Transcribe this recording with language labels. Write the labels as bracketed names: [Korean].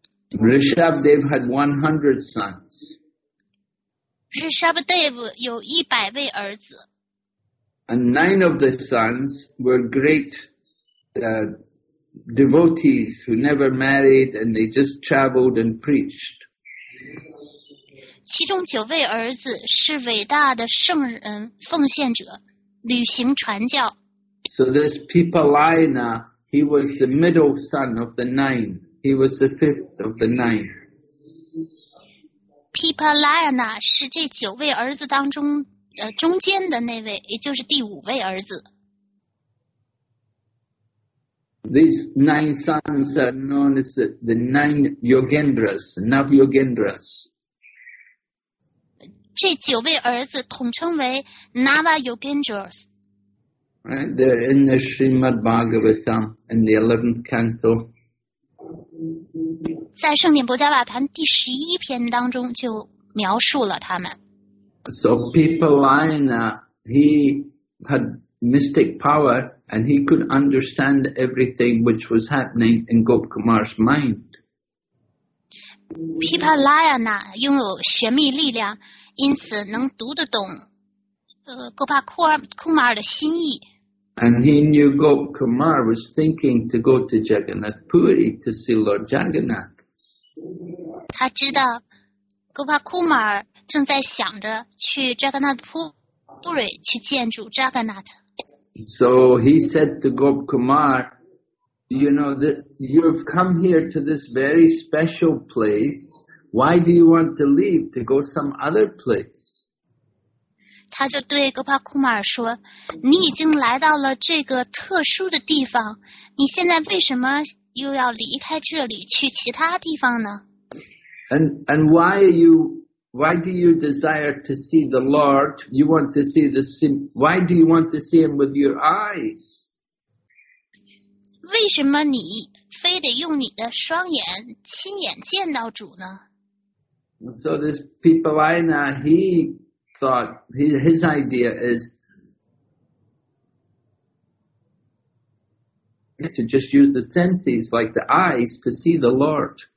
[English] Rishabdev had 100 sons. [Chinese] Rishabdev 有一百位儿子。 [English] And 9 of the sons were great. Devotees who never married and they just traveled and preached. [Chinese] 其中九位儿子是伟大的圣人奉献者，旅行传教。 [English] So this Pipalayana, he was the middle son of the nine. He was the fifth of the nine. [Chinese] Pipalayana 是这九位儿子当中中间的那位，也就是第五位儿子。 [English] These nine sons are known as the nine Yogendras, Nav Yogendras. [Chinese] 这九位儿子统称为 Nava Yogendras. [English] Right, they're in the Srimad Bhagavatam in the 11th canto. [Chinese] 在圣典博迦瓦坛第十一篇当中就描述了他们。 [English] So Pipalayana, he had mystic power, and he could understand everything which was happening in Gop Kumar's mind. [Chinese] Pipalayana 拥有神秘力量，因此能读得懂Gopa Kumar 的心意。 [English] And he knew Gop Kumar was thinking to go to Jagannath Puri to see Lord Jagannath. [Chinese] 他知道 Gopa Kumar 正在想着去 Jagannath Puri 去见主 Jagannath. [English] So he said to Gop Kumar, you know, you've come here to this very special place. Why do you want to leave to go some other place? [Chinese] 他就对格帕库马尔说，你已经来到了这个特殊的地方，你现在为什么又要离开这里去其他地方呢？ [English] And why do you desire to see the Lord? You want to see the sim, why do you want to see him with your eyes? [Chinese] 为什么你非得用你的双眼亲眼见到主呢？ [English] So this Pipalayana, heThought his idea is to just use the senses like the eyes to see the Lord.